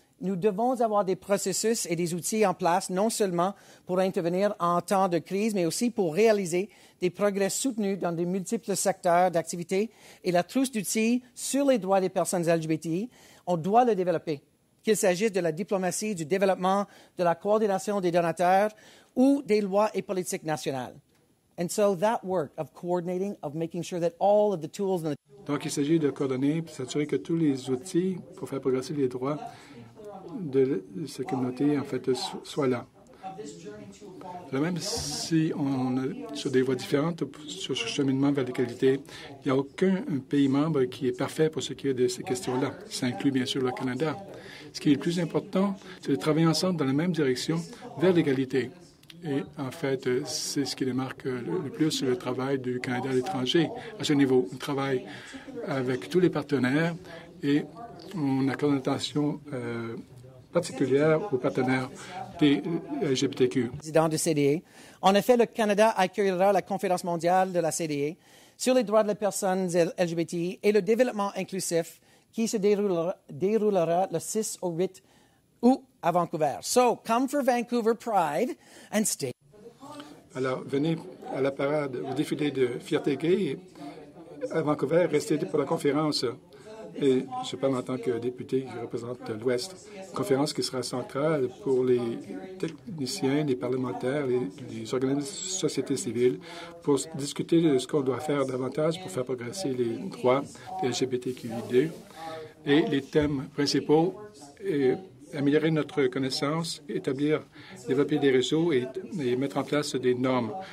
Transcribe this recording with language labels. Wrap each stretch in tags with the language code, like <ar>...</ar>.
<fr>Nous devons avoir des processus et des outils en place, non seulement pour intervenir en temps de crise, mais aussi pour réaliser des progrès soutenus dans de multiples secteurs d'activité. Et la trousse d'outils sur les droits des personnes LGBTI, on doit le développer, qu'il s'agisse de la diplomatie, du développement, de la coordination des donateurs ou des lois et politiques nationales.</fr> <en>And so that work of coordinating, of making sure that all of the tools...</en> <fr>Donc, il s'agit de coordonner, de s'assurer que tous les outils pour faire progresser les droits de cette communauté, en fait, soient là. Même si on est sur des voies différentes, sur ce cheminement vers l'égalité, il n'y a aucun pays membre qui est parfait pour ce qui est de ces questions-là. Ça inclut, bien sûr, le Canada. Ce qui est le plus important, c'est de travailler ensemble dans la même direction vers l'égalité. Et en fait, c'est ce qui démarque le plus le travail du Canada à l'étranger. À ce niveau, on travaille avec tous les partenaires et on accorde une attention particulière aux partenaires des LGBTQ. Président de CDE, en effet, le Canada accueillera la conférence mondiale de la CDE sur les droits de la personne LGBTI et le développement inclusif qui se déroulera le 6 au 8 août. À Vancouver.</fr> <en>So, come for Vancouver Pride and stay.</en> <fr>Alors, venez à la parade au défilé de fierté gay à Vancouver, restez pour la conférence. Et je parle en tant que député qui représente l'Ouest. Conférence qui sera centrale pour les techniciens, les parlementaires, les organismes de société civile pour discuter de ce qu'on doit faire davantage pour faire progresser les droits des LGBTQI2 et les thèmes principaux et améliorer notre connaissance, établir, développer des réseaux et mettre en place des normes.</fr>